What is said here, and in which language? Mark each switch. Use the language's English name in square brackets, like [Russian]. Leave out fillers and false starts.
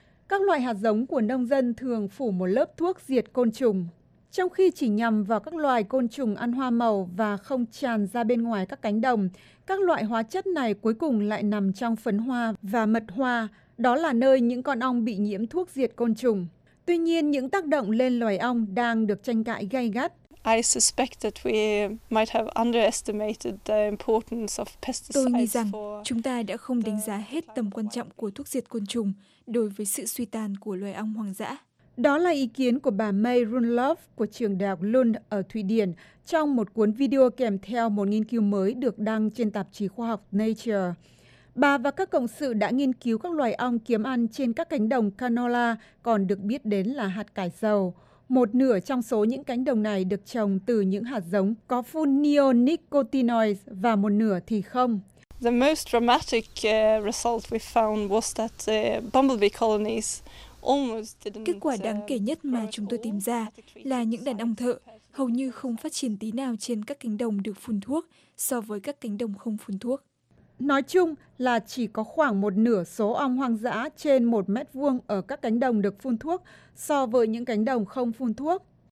[Vietnamese] Các loại hạt giống của nông dân thường phủ một lớp thuốc diệt côn trùng, trong khi chỉ nhằm vào các loài côn trùng ăn hoa màu và không tràn ra bên ngoài các cánh đồng, các loại hóa chất này cuối cùng lại nằm trong phấn hoa và mật hoa, đó là nơi những con ong bị nhiễm thuốc diệt côn trùng. Tuy nhiên, những tác động lên loài ong đang được tranh cãi gay gắt. [English] I suspect that we might have underestimated the importance of pesticides. [Vietnamese] Tôi nghĩ rằng chúng ta đã không đánh giá hết tầm quan trọng của thuốc diệt côn trùng đối với sự suy tàn của loài ong hoang dã. Đó là ý kiến của bà May Runlove của trường đại học Lund ở Thụy Điển trong một cuốn video kèm theo một nghiên cứu mới được đăng trên tạp chí khoa học Nature. Bà và các cộng sự đã nghiên cứu các loài ong kiếm ăn trên các cánh đồng canola, còn được biết đến là hạt cải dầu. Một nửa trong số những cánh đồng này được trồng từ những hạt giống có phun neonicotinoids và một nửa thì không. [English] The most dramatic result we found was that bumblebee colonies almost didn't. [Vietnamese] Kết quả đáng kể nhất mà chúng tôi tìm ra là những đàn ong thợ hầu như không phát triển tí nào trên các cánh đồng được phun thuốc so với các cánh đồng không phun thuốc. Nói chung là chỉ có khoảng một nửa số ong hoang dã trên 1 mét vuông ở các cánh đồng được phun thuốc so với những cánh đồng không phun thuốc.